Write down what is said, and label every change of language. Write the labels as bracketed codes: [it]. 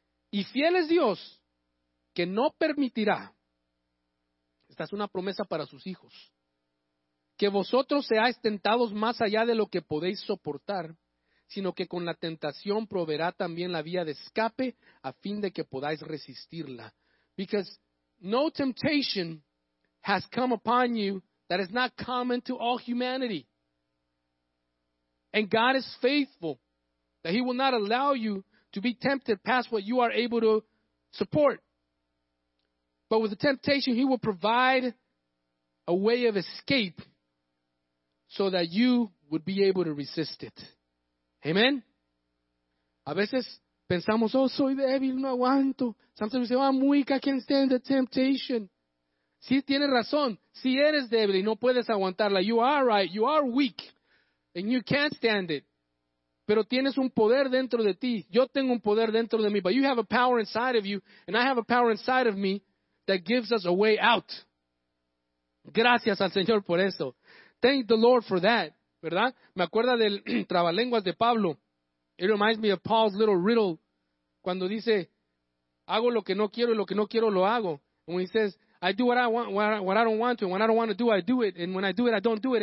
[es] Y fiel es Dios, que no permitirá, esta es una promesa para sus hijos, que vosotros seáis tentados más allá de lo que podéis soportar, sino que con la tentación proveerá también la vía de escape a fin de que podáis resistirla. [en] Because no temptation has come upon you that is not common to all humanity. And God is faithful that he will not allow you to be tempted past what you are able to support. But with the temptation, he will provide a way of escape so that you would be able to resist it. Amen? [es] A veces pensamos, oh, soy débil, no aguanto. [en] Sometimes we say, oh, muica, I can't stand the temptation. [es] Sí, tiene razón. Si eres débil y no puedes aguantarla, [en] you are right, you are weak, and you can't stand it. [es] Pero tienes un poder dentro de ti. Yo tengo un poder dentro de mí. [en] But you have a power inside of you, and I have a power inside of me that gives us a way out. [es] Gracias al Señor por eso. [en] Thank the Lord for that, [es] ¿verdad? Me acuerda del trabalenguas de Pablo. [en] It reminds me of Paul's little riddle. [es] Cuando dice, hago lo que no quiero y lo que no quiero lo hago. [en] And when he says, I do what I want, what I don't want to. And when I don't want to do, I do it. And when I do it, I don't do it.